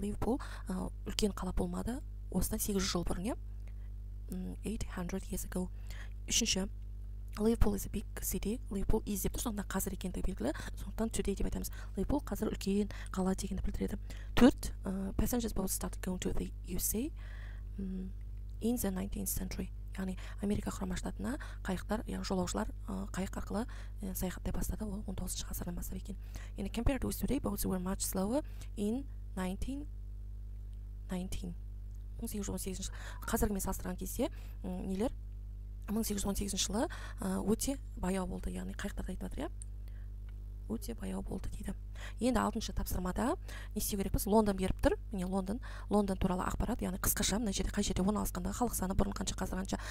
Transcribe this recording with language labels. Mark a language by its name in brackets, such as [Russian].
[Kazakh] Liverpool үлкен қала болмады. Осыдан 800 жыл бұрын, [English] 800 years ago. [Kazakh] Үшінші, [English] Liverpool is a big city. Liverpool is [Kazakh] деп тұр, сонда қазір екендігі белгілі. Сондықтан [English] today [Kazakh] деп айтамыз. Liverpool қазір үлкен қала дегенді білдіреді. Төрт, [English] passengers boats started going to the USA in the 19th century. [Kazakh] Яғни Америка құрама штатына қайықтар, яғни жолаушылар қайық арқылы саяхаттай бастады, ол 19-шы ғасырдан бастап екен. [English] Енді compared to today, boats were much slower in 1918. [Kazakh] Қазіргімен салыстырған кезде, нелер 1818 жылы өте баяу болды, яғни қайықтарды айтып отыр, иә? Өте баяу болды дейді. Енді 6-шы тапсырмада не істеу керекпіз? Лондон беріп тұр. Міне, Лондон. Лондон туралы ақпарат, яғни қысқаша мына жерде қай жерде орналасқандығы, халық саны бұрын қанша, қазір қанша.